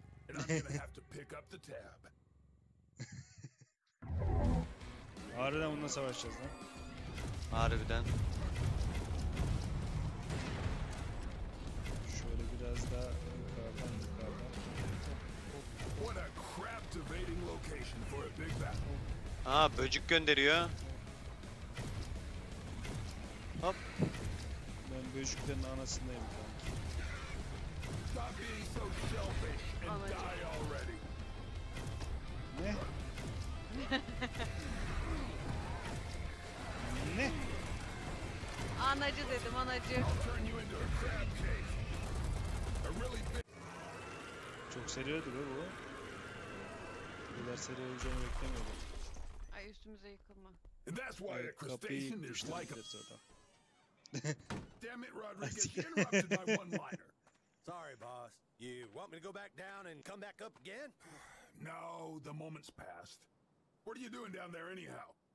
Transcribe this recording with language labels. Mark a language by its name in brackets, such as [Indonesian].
[English] and I'm gonna have to pick up the tab. [Turkish] Harbiden bununla savaşacağız lan. Harbiden. Şöyle biraz daha yukarıdan yukarıdan. [English] What a crap debating location for a big battle. [Turkish] Aa, böcük gönderiyor. Hop. Ben böcüklerin anasındayım kanka. [English] Stop being so selfish and die already. [Turkish] Ne? Ne? Anacı dedim, anacı. Çok seri ödülü bu. Bu kadar seri olacağını beklemiyordum. Ay, üstümüze yıkılma. [English] That's why a crustacean is like a... Damn it, Rodriguez, interrupted by one-liner. Sorry, boss. You want me to go back down and come back up again? No, the moment's passed. What are you doing down there anyhow?